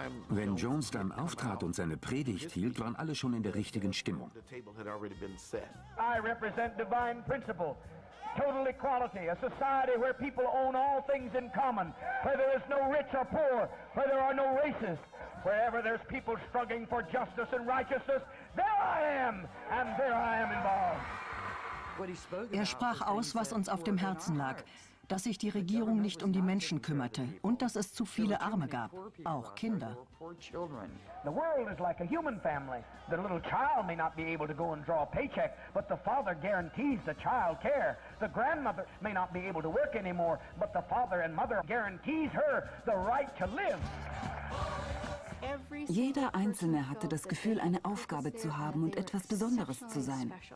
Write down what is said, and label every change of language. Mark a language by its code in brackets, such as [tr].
[de] Wenn Jones dann auftrat und seine Predigt hielt, waren alle schon in der richtigen Stimmung. [en] I represent divine principle. Total equality, a society where people own all things in common, where there is no rich or poor, where there are no races, wherever there's people struggling for justice and righteousness, there I am, and there I am involved. [de] Er sprach aus, was uns auf dem Herzen lag, dass sich die Regierung nicht um die Menschen kümmerte und dass es zu viele Arme gab, auch Kinder. [en] The world is like a human family. The little child may not be able to go and draw a paycheck, but the father guarantees the child care. The grandmother may not be able to work anymore, but the father and mother guarantees her the right to live. [de] Jeder Einzelne hatte das Gefühl, eine Aufgabe zu haben und etwas Besonderes zu sein.